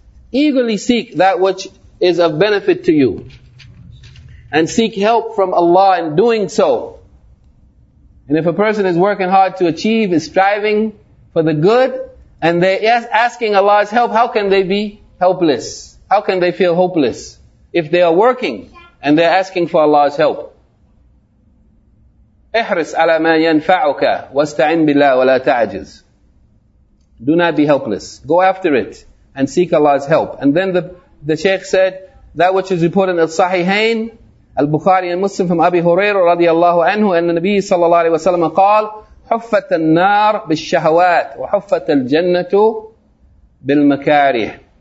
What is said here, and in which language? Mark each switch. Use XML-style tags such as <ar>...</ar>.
<en>Eagerly seek that which is of benefit to you, and seek help from Allah in doing so. And if a person is working hard to achieve, is striving for the good, and they're asking Allah's help, how can they be helpless? How can they feel hopeless if they are working and they're asking for Allah's help?</en> <ar>احرص على ما ينفعك واستعن بالله ولا تعجز.</ar> <en>Do not be helpless. Go after it and seek Allah's help. And then the Shaykh said, that which is reported in Al-Sahihain, Al-Bukhari and Muslim from Abi Hurairah radiallahu anhu, and the Nabi sallallahu alayhi wa sallam</en> <ar>قال, حفت النار بالشهوات وحفت الجنة بالمكاره.</ar>